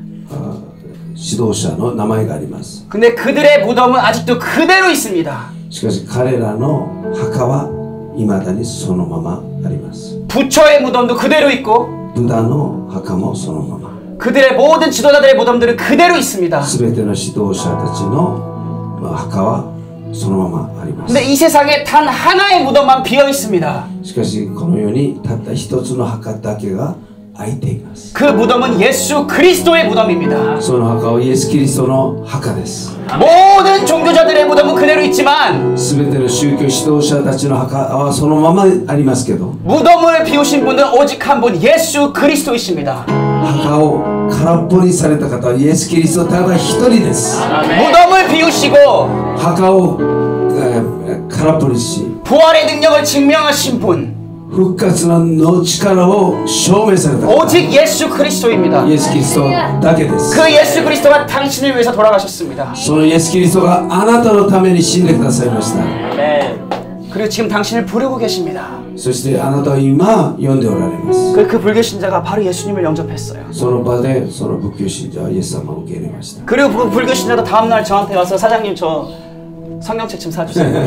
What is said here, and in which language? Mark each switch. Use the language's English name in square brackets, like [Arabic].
[Japanese] 数多くの宗教のリーダーの指導者の名前があります. [Korean] 근데 그들의 무덤은 아직도 그대로 있습니다. [Japanese] しかし彼らの墓は未だにそのままあります. [Korean] 부처의 무덤도 그대로 있고 [Japanese] 부다の墓もそのまま. [Korean] 그들의 모든 지도자들의 무덤들은 그대로 있습니다. [Japanese] すべての指導者たちの墓は そのままあります. [Korean] 근데 이 세상에 단 하나의 무덤만 비어 있습니다. [Japanese] しかしこの世にたった一つの墓だけが空いています. [Korean] 그 무덤은 예수 그리스도의 무덤입니다. [Japanese] その墓はイエスキリストの墓です. [Korean] 모든 종교자들의 무덤은 그대로 있지만 [Japanese] すべての宗教指導者たちの墓はそのままありますけど. [Korean] 무덤을 비우신 분은 오직 한 분 예수 그리스도이십니다. [Japanese] 墓を 空っぽにされた方はイエスキリストただ一人です. [Korean] 무덤을 비우시고 [Japanese] 墓を 空っぽにし [Korean] 부활의 능력을 증명하신 분 [Japanese] 復活の力を証明された [Korean] 오직 예수 그리스도입니다. [Japanese] 예수 그리스도だけです. [Korean] 그 예수 그리스도가 당신을 위해서 돌아가셨습니다. [Japanese] その예수キリストがあなたのために死んでくださいました. [Korean] 네. 그리고 지금 당신을 부르고 계십니다. [Japanese] そしてあなたは今呼んでおられます. [Korean] 그 불교 신자가 바로 예수님을 영접했어요. [Japanese] その場でその仏教信者はイエス様を受け入れました. [Korean] 그리고 그 불교 신자도 다음 날 저한테 와서 사장님 저 성경책 좀 사주세요.